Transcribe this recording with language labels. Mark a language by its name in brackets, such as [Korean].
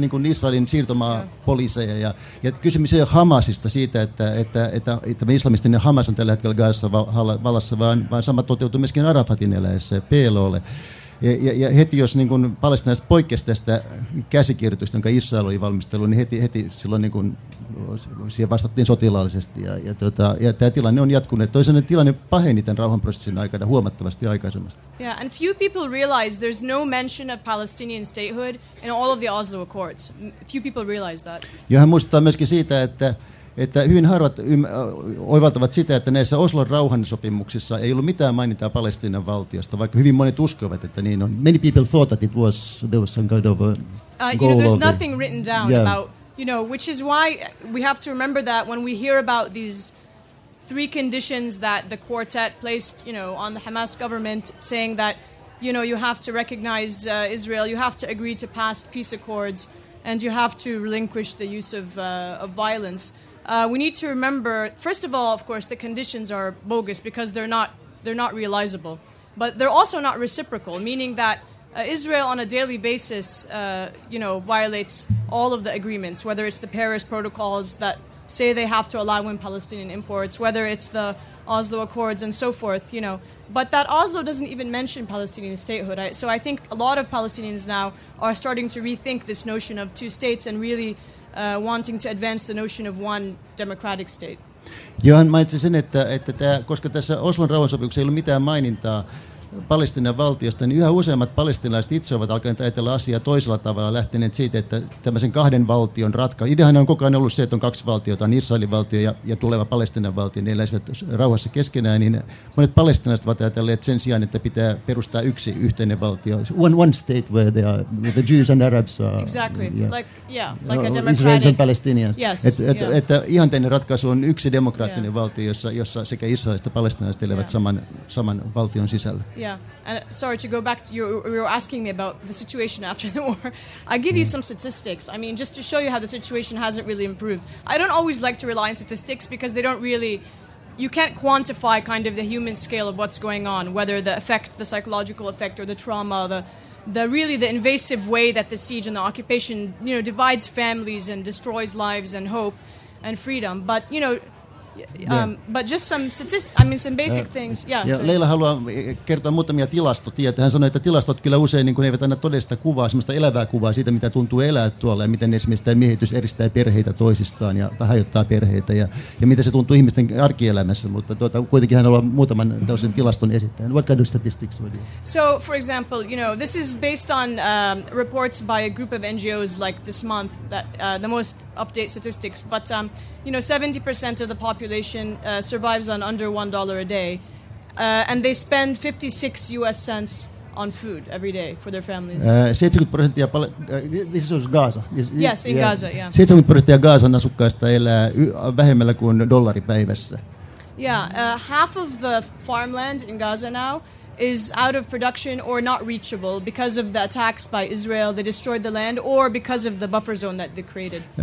[Finnish] Niin kuin Israelin siirtomaapoliiseja. Ja kysymys ei ole Hamasista siitä, että islamistinen Hamas on tällä hetkellä Gazassa vallassa, vaan sama toteutui myöskin Arafatin eläessä ja PLOlle. Ja heti jos niin kuin palestinaiset poikkesi tästä käsikirjoitusta, jonka Israel oli valmistellut, niin heti silloin niin kuin siihen vastattiin sotilaallisesti. Ja tämä tilanne on jatkunut. Toisaalta tilanne paheni tämän rauhanprosessin aikana huomattavasti aikaisemmasta. [English] Yeah, and few people realize there's no mention of Palestinian statehood in all of the Oslo Accords. Few people realize that. [Finnish] Ja hän muistuttaa myöskin siitä, että hyvin harvat oivaltavat sitä, että näissä Oslon rauhansopimuksissa ei ollut mitään mainintaa Palestiinan valtiosta, vaikka hyvin monet uskovat, että niin on. [English] Many people thought that it was, there was some kind of a goal. There's nothing written down about, you know, which is why we have to remember that when we hear about these three conditions that the quartet placed, you know, on the Hamas government, saying that, you know, you have to recognize Israel, you have to agree to pass peace accords, and you have to relinquish the use of violence. We need to remember, first of all, of course, the conditions are bogus because they're not realizable. But they're also not reciprocal, meaning that Israel on a daily basis, violates all of the agreements, whether it's the Paris protocols that say they have to allow in Palestinian imports, whether it's the Oslo Accords and so forth, you know. But that Oslo doesn't even mention Palestinian statehood. So I think a lot of Palestinians now are starting to rethink this notion of two states and really wanting to advance the notion of one democratic state. [Finnish] Johan mainitsi sen, että tämä, koska tässä Oslon rauhansopimuksessa ei ollut mitään mainintaa Palestinan valtiosta, niin yhä useammat palestinalaiset itse ovat alkaneet ajatella asiaa toisella tavalla, lähteneet siitä, että tämmöisen kahden valtion ratkaisu. Ideahan on koko ajan ollut se, että on kaksi valtiota, on Israelin valtio ja tuleva Palestinan valtio, ne eläisivät rauhassa keskenään, niin monet palestinalaiset ovat ajatelleet sen sijaan, että pitää perustaa yksi yhteinen valtio. [English] One state where they are, where the Jews and Arabs are. Exactly, yeah. Like a democratic. Israelis and Palestinians. Yes, yeah. [Finnish] Että ihanteinen ratkaisu on yksi demokraattinen valtio, jossa sekä israelilaiset että palestinalaiset elävät saman valtion sisällä. [English] Yeah, and sorry to go back to you were asking me about the situation after the war. I give you some statistics. I mean, just to show you how the situation hasn't really improved. I don't always like to rely on statistics because they don't really, you can't quantify kind of the human scale of what's going on, whether the effect, the psychological effect or the trauma, the invasive way that the siege and the occupation, you know, divides families and destroys lives and hope and freedom. But, you know, but just some statistics, I mean some basic things. Yeah, [Finnish] Leila haluaa kertoa muutamia tilastotietoja. Hän sanoi, että tilastot kyllä usein niin kuin eivät aina todellista kuvaa, semmoista elävää kuvaa siitä, mitä tuntuu elää tuolla ja miten esimerkiksi tämä miehitys eristää perheitä toisistaan ja hajottaa perheitä ja mitä se tuntuu ihmisten arkielämässä. Mutta kuitenkin hän haluaa muutaman tällaisen tilaston esittää. [English] What kind of statistics would you? So, for example, you know, this is based on reports by a group of NGOs like this month, that the most update statistics, but you know, 70% of the population survives on under $1 a day, and they spend 56 US cents on food every day for their families. 70% this is Gaza. Yes, in Gaza, yeah. [Finnish] 70% Gazan asukkaista elää vähemmällä kuin dollari päivässä. [English] Yeah, half of the farmland in Gaza now is out of production or not reachable because of the attacks by Israel. They destroyed the land or because of the buffer zone that they created.